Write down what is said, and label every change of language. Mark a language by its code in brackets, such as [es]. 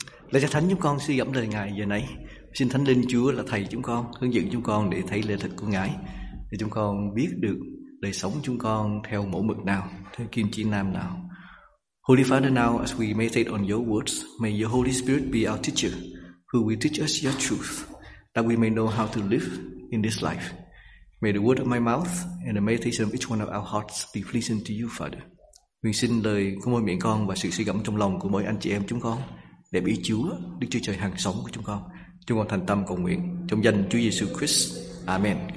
[vi] Lạy Cha Thánh, chúng con suy gẫm lời Ngài giờ nãy. Xin Thánh Linh Chúa là Thầy chúng con, hướng dẫn chúng con để thấy lẽ thật của Ngài, để chúng con biết được đời sống chúng con theo mẫu mực nào, theo kim chỉ nam nào. [en] Holy Father, now as we meditate on your words, may your Holy Spirit be our teacher, who will teach us your truth, that we may know how to live in this life. May the word of my mouth and the meditation of each one of our hearts be pleasing to you, Father. [vi] Nguyện xin lời của mỗi miệng con và sự suy gẫm trong lòng của mỗi anh chị em chúng con, để biết Chúa, Đức Chúa Trời hàng sống của chúng con. Chúng con thành tâm cầu nguyện trong danh Chúa Giêsu Christ. Amen.